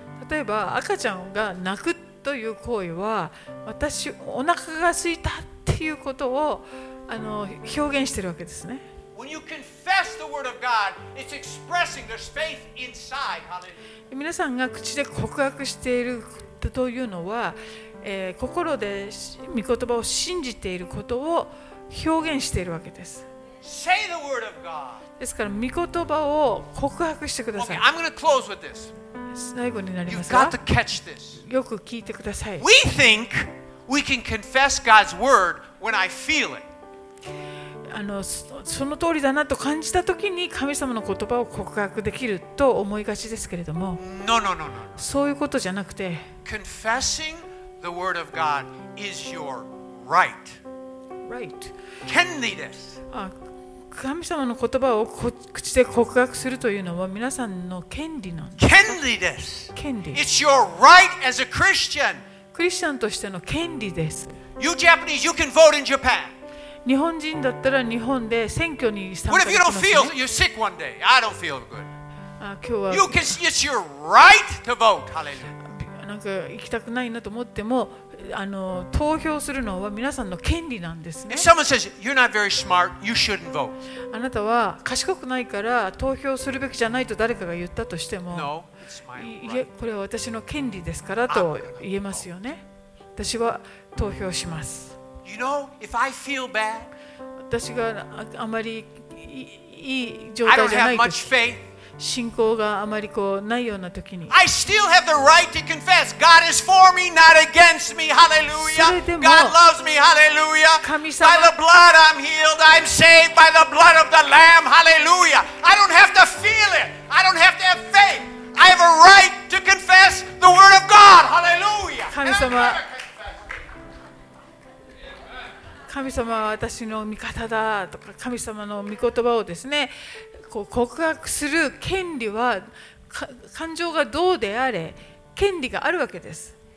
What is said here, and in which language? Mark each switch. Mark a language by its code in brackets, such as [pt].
[ja] 例えば赤ちゃんが泣くという行為は、私お腹が空いたっていうことをあの表現しているわけですね。 [en] When you confess the word of God, it's expressing there's faith inside. Hallelujah. [ja] 皆さんが口で告白しているというのは、心で御言葉を信じていることを表現しているわけです。 [en] Say the word of God. [ja] ですから御言葉を告白してください。 [en] Okay, I'm going to close with this. [ja] 最後になりますが、 [en] You've got to catch this. [ja] よく聞いてください。 [en] We think we can confess God's word when I feel it. [ja] あのその通りだなと感じたときに神様の言葉を告白できると思いがちですけれども、 [en] no, no, no, no. [ja] そういうことじゃなくて、 [en] Confessing the word of God is your right. Right. [ja] 権利です。あ、神様の言葉を口で告白するというのは皆さんの権利なんです。権利です。権利。 [en] It's your right as a Christian. [ja] クリスチャンとしての権利です。 [en] You Japanese, you can vote in Japan. [ja] 日本人だったら日本で選挙に参加できますね。今日は [en] you can, it's your right to vote. Hallelujah. [ja] なんか行きたくないなと思っても、あの投票するのは皆さんの権利なんですね。 [en] If someone says, you're not very smart, you shouldn't vote. [ja] あなたは賢くないから投票するべきじゃないと誰かが言ったとしても、 [en] no, [ja] いえ、これは私の権利ですからと言えますよね。私は投票します。 [en] You know, if I feel bad, [ja] 私があまりいい状態じゃないとき、信仰があまりこうないようなときに、 [en] I still have the right to confess. God is for me, not against me. Hallelujah. God loves me. Hallelujah. By the blood I'm healed. I'm saved by the blood of the Lamb. Hallelujah. I don't have to feel it. I don't have to have faith. I have a right to confess the word of God. Hallelujah. [ja] 神様は私の味方だとか、神様の御言葉をですね、こう告白する権利は、感情がどうであれ権利があるわけです。